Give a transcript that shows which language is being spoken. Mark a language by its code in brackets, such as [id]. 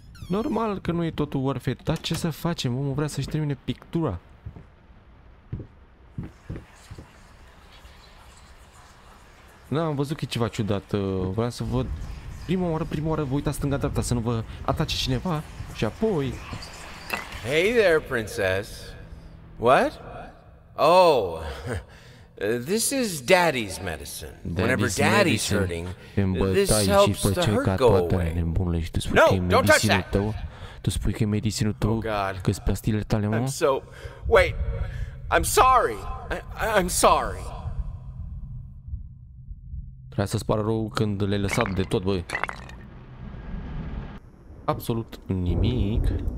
[ro] Normal că nu e totul worth it, dar ce să facem? Omul vrea să-și termine pictura. Da, am văzut că e ceva ciudat. Vreau să văd prima oară vă uitați stânga-dreapta să nu vă atace cineva și apoi... [en] Hey there, princess. What? Oh, this is daddy's medicine. Whenever daddy's hurting, this helps the hurt go away. No, don't touch that! [ro] Tu spui că e medicinul tău, că-s pastilele tale, mă? [en] Wait, I'm sorry! I'm sorry! [ro] Trebuia să-ți pară rău când le-ai lăsat de tot, băi. Absolut nimic.